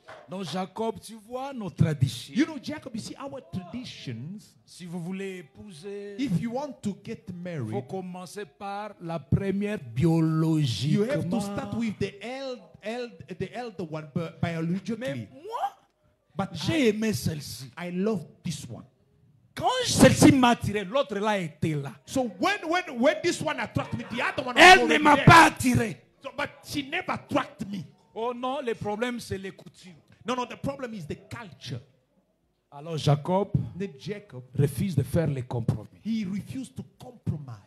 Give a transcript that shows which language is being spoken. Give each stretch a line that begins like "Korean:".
French: Non, Jacob, tu vois nos traditions.
English: You know, Jacob, you see our traditions.
French: Si vous voulez épouser,
English: if you want to get married,
French: faut commencer par la première biologiquement.
English: You have to start with the elder one biologically.
French: Mais moi, but j'ai aimé celle-ci.
English: I love this one.
French: Quand celle-ci m'a attiré, l'autre là était là.
English: So when this one attracted me, the other one.
French: Elle ne m'a pas attiré.
English: So, but she never attracted me.
French: Oh non, le problème c'est les coutumes.
English: No, the problem is the culture.
French: Alors Jacob,
English: Jacob
French: refuse de faire les compromis.
English: He refused to compromise.